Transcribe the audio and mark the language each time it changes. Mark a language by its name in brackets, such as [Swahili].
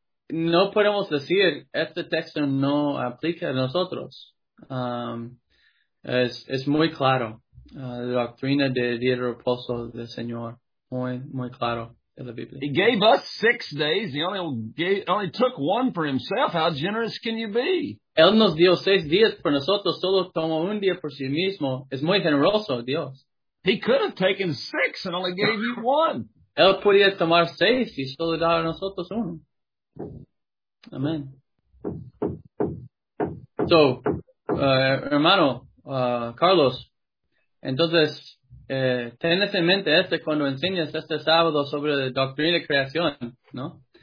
[Spanish] No podemos decir este texto no aplica a nosotros. Es muy claro. La doctrina del día de reposo del Señor. Muy, muy claro en la Biblia. [English] He gave us 6 days. He only took one for himself. How generous can you be? [Spanish] Él nos dio 6 días por nosotros. Solo tomó un día por sí mismo. Es muy generoso Dios. [English] He could have taken 6 and only gave you one. [Spanish] Él podía tomar 6 y solo dar a nosotros uno. Amén. [English] So, [Spanish] hermano, Carlos, entonces, tenés en mente este cuando enseñas este sábado sobre la doctrina de creación, ¿no?